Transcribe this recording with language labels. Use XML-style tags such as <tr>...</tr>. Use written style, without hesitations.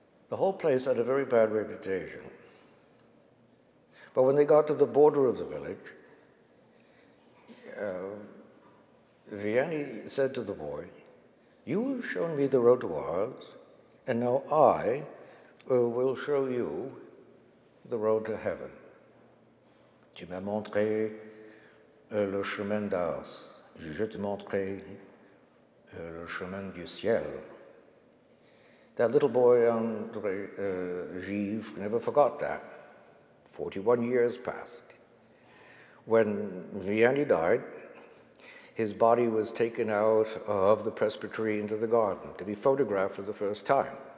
<en>The whole place had a very bad reputation. But when they got to the border of the village, Vianney said to the boy, you have shown me the road to Ars, and now I will show you the road to heaven.</en> <fr>Tu m'as montré le chemin d'Ars, je te montrerai le chemin du ciel.</fr> <en>That little boy, André Gives, never forgot that. 41 years passed. When Vianney died, his body was taken out of the presbytery into the garden to be photographed for the first time.</en>